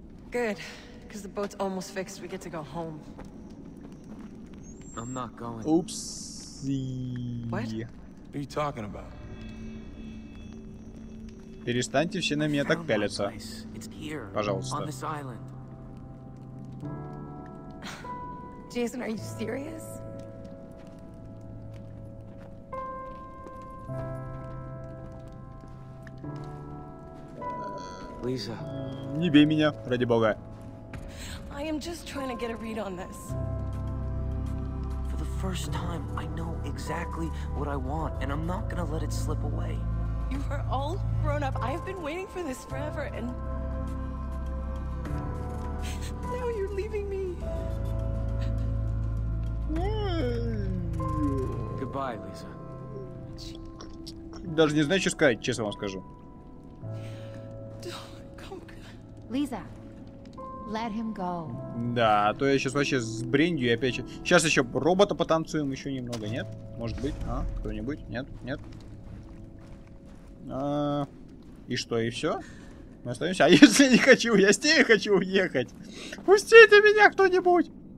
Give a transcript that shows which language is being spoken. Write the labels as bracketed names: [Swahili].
[English] Good, because the boat's almost fixed. We get to go home. I'm not going. Oopsie. What? What are you talking about? [Russian] Перестаньте все на меня так пялиться. Пожалуйста. [English] On this island. Jason, are you serious? [Russian] Лиза. Не бей меня, ради бога. [English] I am just trying to get a read on this. For the first time, I know exactly what I want, and I'm not gonna let it slip away. You are all grown up. I've been waiting for this forever, and now you're leaving me. Goodbye, Lisa. [Russian] Даже не знаю, что сказать, честно вам скажу. [English] Лиза, let him go. [Russian] Да, а то я сейчас вообще с бренью и опять... Сейчас еще робота потанцуем еще немного, нет? Может быть, а? Кто-нибудь? Нет? Нет? А, и что, и все? Мы остаемся? А если не хочу? Я с ней хочу уехать! Пустите меня кто-нибудь!